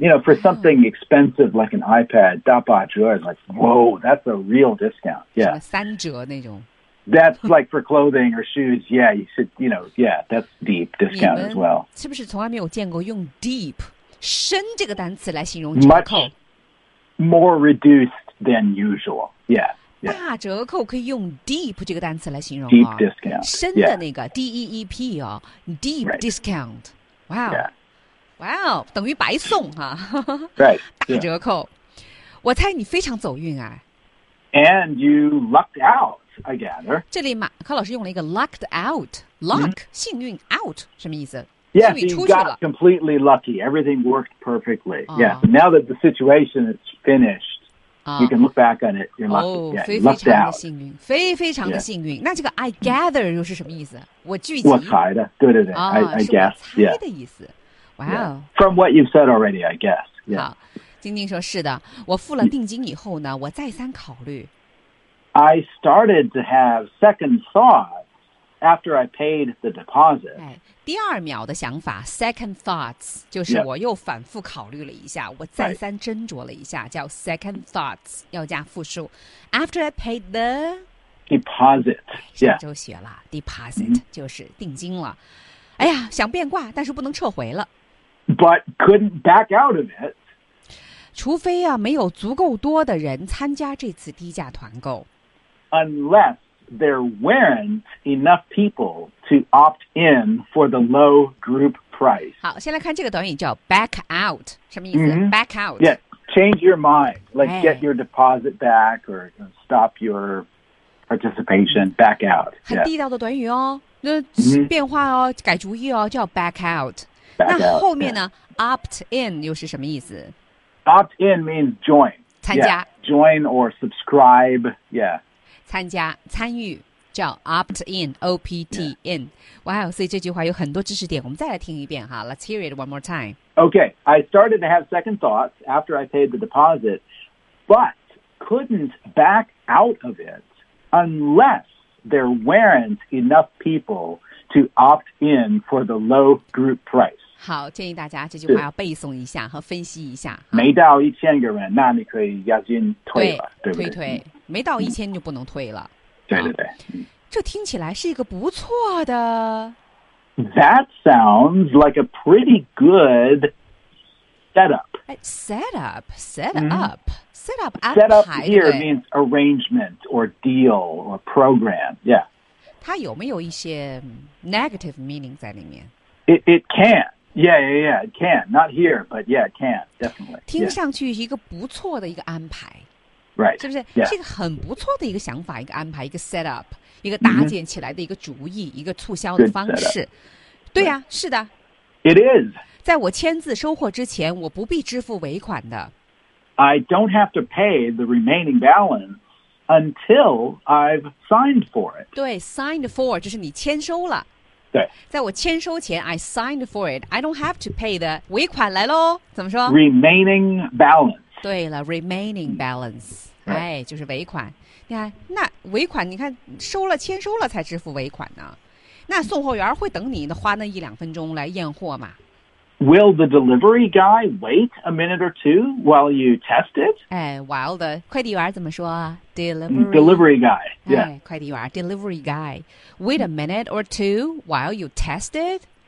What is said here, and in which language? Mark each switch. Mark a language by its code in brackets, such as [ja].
[en] You know, for something expensive like an iPad, [zh] 打八折 [en] is like, whoa, that's a real discount. Yeah. [zh] 三折那种. [en] That's like for clothing or shoes. Yeah, you should, you know, yeah, that's deep discount as well. [zh] 是不是从来没有见过用 deep, 深这个单词来形容折扣? [en] Much more reduced than usual. Yeah. Yeah. [zh] 大折扣可以用 deep 这个单词来形容啊, [en] deep discount. [zh] 深的那个 [en] yeah. deep 哦, deep right. discount. Wow. Yeah. [zh] Wow, 等于白送哈, [en] right, [zh] 打折扣. [en] Yeah. [zh] 我猜你非常走运啊。 [en] And you lucked out, I gather. [zh] 这里马克老师用了一个 lucked out, luck, mm-hmm. 幸运, out, 什么意思? [en] Yeah, so you got completely lucky. Everything worked perfectly. Yeah, so now that the situation is finished, you can look back on it, you're lucky. Oh, yeah, [zh] 非常的幸运, 非常的幸运。 Yeah. 那这个 [en] I gather [zh] 又是什么意思?我聚集。我猜的, 对对对, oh, [en] I guess. [zh] 是我猜的意思。 [en] Yeah. Wow. Yeah. From what you've said already, I guess. Yeah. [zh] 好,晶晶说是的,我付了定金以后呢,我再三考虑。 [en] I started to have second thoughts after I paid the deposit. [zh] 第二秒的想法, second thoughts, 就是我又反复考虑了一下,我再三斟酌了一下, [en] yep. [zh] 叫 second thoughts, 要加复数, [en] after I paid the... deposit. [zh] 上周学了, deposit, mm-hmm. 就是定金了。哎呀,想变卦,但是不能撤回了。 [en] But couldn't back out of it. [zh] 除非啊, 没有足够多的人参加这次低价团购。 [en] Unless there weren't enough people to opt in for the low group price. [zh] 好, 先来看这个短语, 叫 back out, 什么意思? Mm-hmm. [en] Back out. Yeah, change your mind. Like get your deposit back or stop your participation. Back out. [zh] 很地道的短语哦, 那变化哦, 改主意哦, 叫 back out. 那后面呢, [en] yeah. [zh] opt in 又是什么意思? [en] Opt in means join. [zh] 参加。 [en] Yeah. Join or subscribe. Yeah. [zh] 参加, 参与, 叫 opt in, O-P-T in. [en] Yeah. [zh] Wow, 所以这句话有很多知识点, 我们再来听一遍, [en] huh? Let's hear it one more time. Okay, I started to have second thoughts after I paid the deposit, but couldn't back out of it unless there weren't enough people to opt in for the low group price. [zh] 好, 建议大家这句话要背诵一下和分析一下。没到1000个人, 那你可以押金退了, 对, 对不对? 退退, 没到1000就不能退了。对对对。这听起来是一个不错的。 [en] That sounds like a pretty good setup. Set up. Set up, set up here means arrangement or deal or program, yeah. [zh] 它有没有一些 [en] negative meaning [zh] 在里面? [en] It can. Yeah, yeah, yeah, it can. Not here, but yeah, it can, definitely. [zh] 听上去一个不错的一个安排。 [en] Right. [zh] 是不是? [en] Yeah. [zh] 是一个很不错的一个想法, 一个安排, 一个 set up, 一个搭建起来的一个主意, mm-hmm. 一个促销的方式。对 啊, 是的。 [en] It is. [zh] 在我签字收货之前, 我不必支付尾款的。 [en] I don't have to pay the remaining balance until I've signed for it. [zh] 对, signed for, 就是你签收了。对, 在我签收前, [en] I signed for it. I don't have to pay the [zh] 尾款来喽, 怎么说? [en] Remaining balance. [zh] 对了, remaining balance. 哎, 就是尾款。你看, 那尾款, 你看, 收了, 签收了才支付尾款呢。那送货员会等你呢, 花那一两分钟来验货嘛。 [en] Will the delivery guy wait a minute or two while you test it? [zh] 哎, [en] while the [zh] 快递员怎么说?Delivery. [en] Delivery guy. Yeah. [zh] 哎, 快递员, delivery guy. [en] Wait a minute or two while you test it?